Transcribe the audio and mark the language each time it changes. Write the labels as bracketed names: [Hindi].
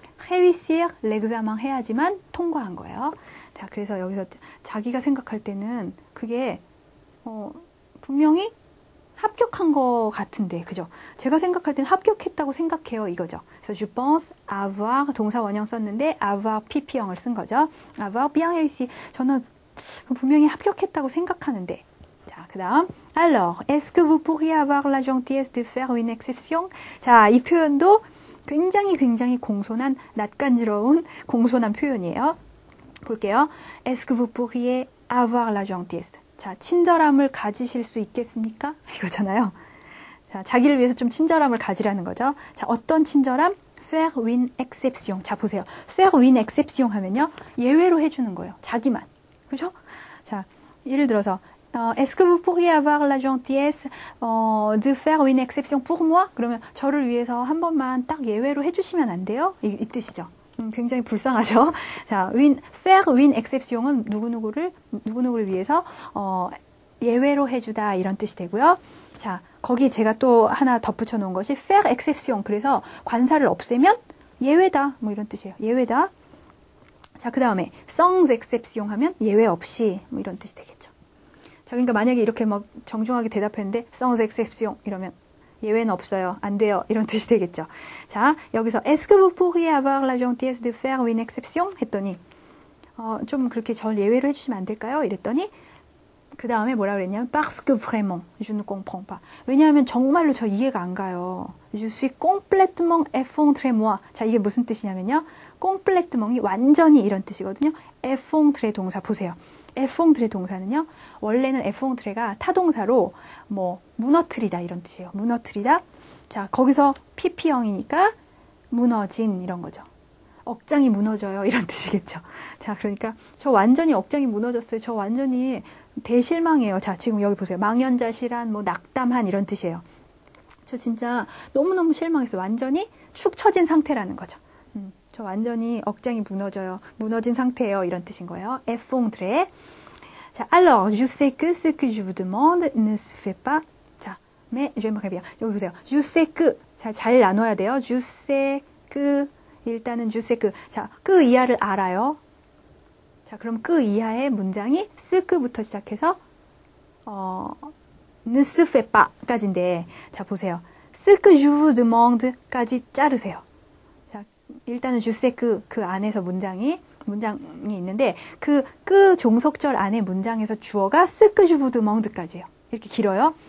[Korean] 헤비시어 렉사망 해야지만 통과한 거예요. 자, 그래서 여기서 자기가 생각할 때는 그게 분명히 합격한 것 같은데, 그죠? 제가 생각할 땐 합격했다고 생각해요, 이거죠. 그래서 [French] je pense avoir [Korean] 동사 원형 썼는데 avoir PP형을 쓴 거죠. [French] avoir bien réussi [Korean] 저는 분명히 합격했다고 생각하는데. [French] 자, 그다음 alors est-ce que vous pourriez avoir la gentillesse de faire une exception? [Korean] 자, 이 표현도 굉장히 굉장히 공손한, 낯간지러운 공손한 표현이에요. 볼게요. [French] Est-ce que vous pourriez avoir la gentillesse? [Korean] 자, 친절함을 가지실 수 있겠습니까? 이거잖아요. 자, 자기를 위해서 좀 친절함을 가지라는 거죠. 자, 어떤 친절함? [French] Faire une exception. [Korean] 자, 보세요. [French] Faire une exception [Korean] 하면요. 예외로 해주는 거예요. 자기만. 그죠? [French] 자, 예를 들어서 Est-ce que vous pourriez avoir la gentillesse de faire une exception pour moi? [Korean] 그러면 저를 위해서 한 번만 딱 예외로 해주시면 안 돼요? 이 뜻이죠. 굉장히 불쌍하죠? 자, faire une exception은 누구누구를 위해서 예외로 해주다 이런 뜻이 되고요. 자, 거기에 제가 또 하나 덧붙여 놓은 것이 faire exception. 그래서 관사를 없애면 예외다. 뭐 이런 뜻이에요. 예외다. 자, 그 다음에 sans exception 하면 예외 없이 뭐 이런 뜻이 되겠죠. 자, 그러니까 만약에 이렇게 막 정중하게 대답했는데, sans exception 이러면 예외는 없어요. 안 돼요. 이런 뜻이 되겠죠. 자, 여기서 [French] Est-ce que vous pourriez avoir la gentillesse de faire une exception? [Korean] 했더니 좀 그렇게 절 예외로 해주시면 안 될까요? 이랬더니 그 다음에 뭐라 그랬냐면 [French] parce que vraiment je ne comprends pas. [Korean] 왜냐하면 정말로 저 이해가 안 가요. [French] Je suis complètement effondré moi. [Korean] 자, 이게 무슨 뜻이냐면요. complètement이 완전히 이런 뜻이거든요. effondré 동사 보세요. effondré 동사는요. 원래는 effondré가 타동사로 뭐 무너뜨리다 이런 뜻이에요. 무너뜨리다. 자, 거기서 PP형이니까 무너진 이런 거죠. 억장이 무너져요 이런 뜻이겠죠. 자, 그러니까 저 완전히 억장이 무너졌어요. 저 완전히 대실망이에요. 자, 지금 여기 보세요. 망연자실한, 뭐, 낙담한, 이런 뜻이에요. 저 진짜 너무너무 실망했어요. 완전히 축 처진 상태라는 거죠. 저 완전히 억장이 무너져요. 무너진 상태예요. 이런 뜻인 거예요. Effondré. [French] 자, alors, je sais que ce que je vous demande ne se fait pas. 자, mais j'aimerais bien. [Korean] 여기 보세요. [French] Je sais que. [Korean] 자, 잘 나눠야 돼요. [French] Je sais que. [Korean] 일단은 je sais que. 자, 그 이하를 알아요. 자, 그럼 그 이하의 문장이 스크부터 시작해서 느스페빠까지인데, 자, 보세요. 스크 주 드몽드까지 자르세요. 자, 일단은 주세크 그 안에서 문장이 있는데 그 종속절 안에 문장에서 주어가 스크 주 드몽드까지예요. 이렇게 길어요.